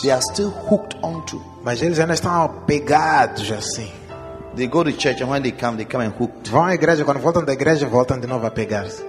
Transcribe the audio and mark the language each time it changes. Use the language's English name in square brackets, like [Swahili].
[English] they are still hooked onto, [Portuguese] mas eles ainda estão apegados assim. [English] They go to church and when they come and hooked, [Portuguese] vão à igreja, quando voltam da igreja voltam de novo a pegar.